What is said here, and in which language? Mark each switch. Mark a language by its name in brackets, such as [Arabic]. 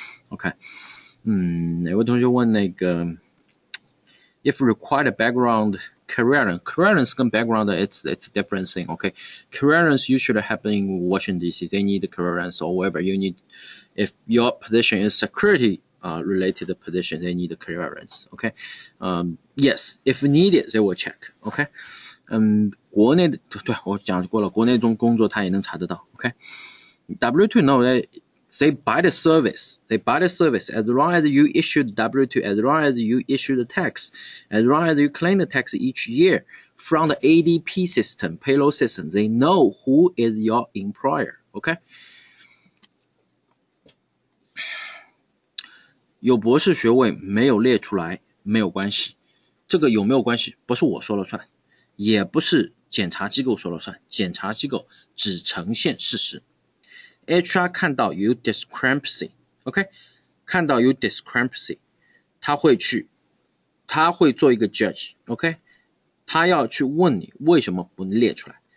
[English] OK， [Chinese] 哪位同学问那个 [English] if required background clearance 跟 background it's different thing. OK， clearance usually happen in Washington DC. They need clearance or whatever you need. If your position is security related position, they need clearance. OK， yes, if needed, they will check. OK。 [Chinese] 国内的，对，我讲过了，国内中工作他也能查得到 ,OK? [English] W2 no, they buy the service, as long as you issue the W2, as long as you issue the tax, as long as you claim the tax each year from the ADP system, payroll system, they know who is your employer, OK? [Chinese] 有博士学位没有列出来没有关系，这个有没有关系不是我说了算，也不是检查机构说了算，检查机构只呈现事实。 HR 看到有 discrepancy，OK，看到有 discrepancy， 他会做一个 judge，OK，他要去问你为什么不列出来。